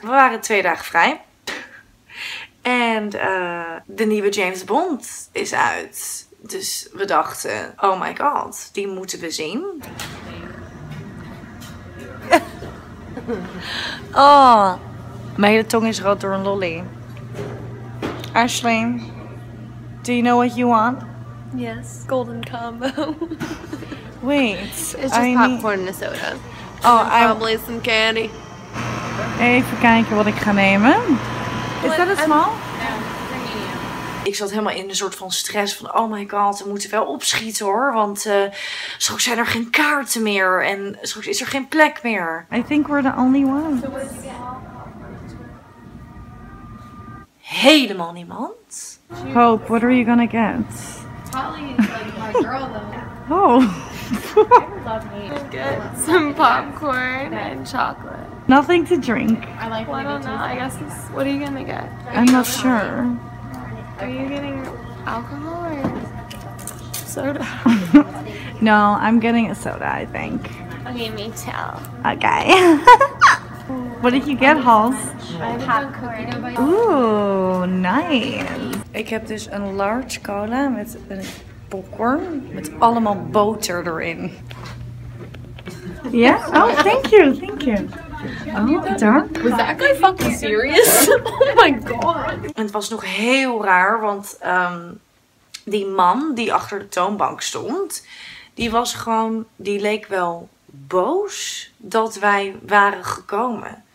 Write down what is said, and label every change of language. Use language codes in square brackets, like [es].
[nl] We waren 2 dagen vrij. En de nieuwe James Bond is uit. Dus we dachten, [en] oh my god, [nl] die moeten we zien. Oh, mijn hele tong is rood door een lolly. [en] Ashley, do you know what you want? Yes, golden combo. Wait, it's just popcorn and soda. Oh, and probably some candy. [nl] Even kijken wat ik ga nemen. Is dat een small? Ik zat helemaal in een soort van stress van, [en] oh my god, [nl] we moeten wel opschieten hoor. Want straks zijn er geen kaarten meer en straks is er geen plek meer. [en] I think we're the only one. [nl] Helemaal niemand. [en] Hope, what are you gonna get? Holly is like my girl though. Oh. Get some popcorn and chocolate. Nothing to drink. Well, I don't know. I guess it's, what are you gonna get? I'm not sure. Are you getting alcohol or soda? No, I'm getting a soda, I think. Okay, me too. Okay. What did you get, Halls? Popcorn. Ooh, nice. [nl] Ik heb dus een large cola met een popcorn met allemaal boter erin. [en] Ja? Yeah? Oh, thank you, thank you. Oh, dark. Was that guy fucking serious? Oh my god. [nl] En het was nog heel raar, want die man die achter de toonbank stond, die was gewoon, die leek wel boos dat wij waren gekomen.